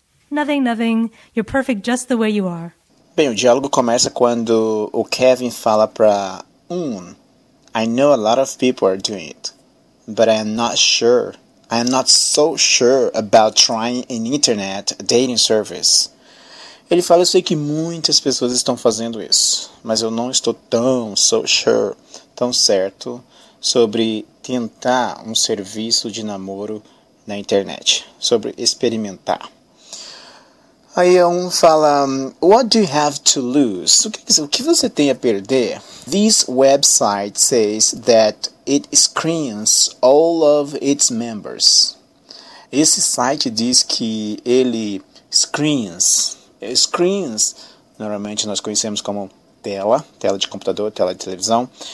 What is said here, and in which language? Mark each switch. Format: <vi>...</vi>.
<en>Nothing, nothing. You're perfect just the way you are.</en> <pt>Bem, o diálogo começa quando o Kevin fala para Un:</pt> <en>I know a lot of people are doing it, but I am not sure. I am not so sure about trying an internet dating service.</en> <pt>Ele fala, eu sei que muitas pessoas estão fazendo isso, mas eu não estou tão so sure, tão certo, sobre tentar um serviço de namoro na internet, sobre experimentar. Aí um fala,</pt> <en>what do you have to lose?</en> <pt>O que você tem a perder?</pt> <en>This website says that it screens all of its members.</en> <pt>Esse site diz que ele screens. Screens, normalmente nós conhecemos como tela, tela de computador, tela de televisão.</pt>